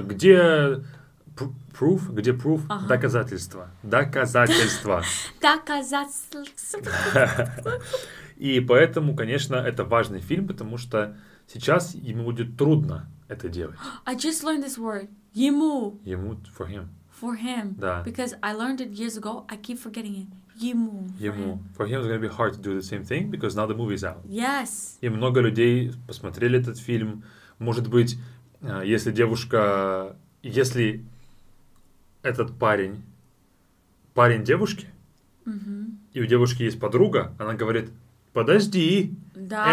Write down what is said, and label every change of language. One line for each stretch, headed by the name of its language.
Russian: Где proof? Где proof? Ага. Доказательства. Доказательства. Доказательства. И поэтому, конечно, это важный фильм, потому что Сейчас ему будет трудно это делать.
English: I just learned this word. Ему. Ему, for him. For him.
Russian: Да.
English: Because I learned it years ago, I keep forgetting it.
Russian: Ему. Ему.
English: For him it's going to be hard to do the same thing, because now the movie is out. Yes.
Russian: И много людей посмотрели этот фильм. Может быть, если девушка... Если этот парень... Парень девушки... Mm-hmm. И у девушки есть подруга, она говорит, подожди, да.